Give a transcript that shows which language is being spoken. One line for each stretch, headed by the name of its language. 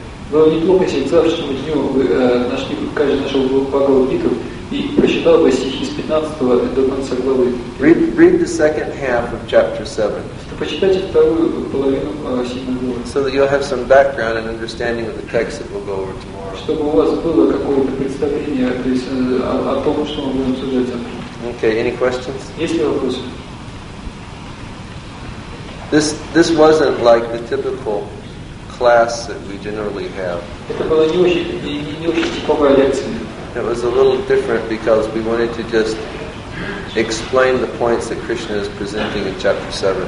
Russian: Было бы неплохо, если к завтрашнему дню нашли каждый нашего Бхагавад Гиту и прочитал бы стихи с 15 до конца главы.
English: Read the second half of chapter 7.
Russian: Почитайте вторую половину 7 главы.
English: So that you'll have some background and understanding of the text that we'll go over tomorrow.
Russian: Чтобы у вас было какое-то представление о том, что мы будем обсуждать завтра.
English: Okay, any questions?
Russian: Есть ли вопросы?
English: This wasn't like the typical class that we generally have. It was a little different because we wanted to just explain the points that Krishna is presenting in chapter 7.